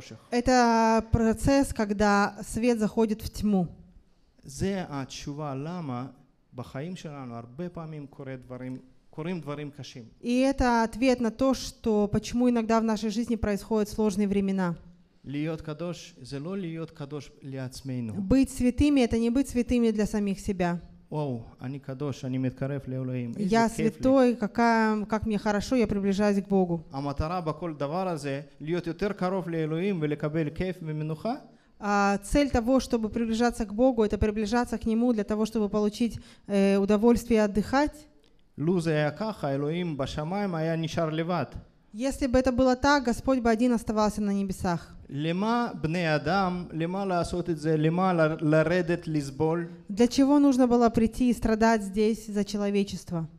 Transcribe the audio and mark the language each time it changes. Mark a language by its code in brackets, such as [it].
[ru] Это процесс, когда свет заходит в тьму. [he] זה התשובה למה בחיים שלנו הרבה פעמים קורים דברים קשים. [ru] И это ответ на то, что почему иногда в нашей жизни происходят сложные времена. [he] להיות קדוש זה לא להיות קדוש לעצמנו. [ru] Быть святыми это не быть святыми для самих себя. [he] וואו, אני קדוש, אני מתקרב לאלוהים. [ru] Я святой, как мне хорошо, я приближаюсь к Богу. [he] המטרה בכל דבר הזה להיות יותר קרוב לאלוהים ולקבל כיף ומנוחה. [ru] Цель того, чтобы приближаться к Богу, это приближаться к Нему для того, чтобы получить удовольствие отдыхать. [he] Лузе я каха, Элоим башамаем, а я нишар леват. [ru] Если бы это было так, Господь бы один оставался на небесах. Для чего нужно было прийти и страдать здесь за человечество?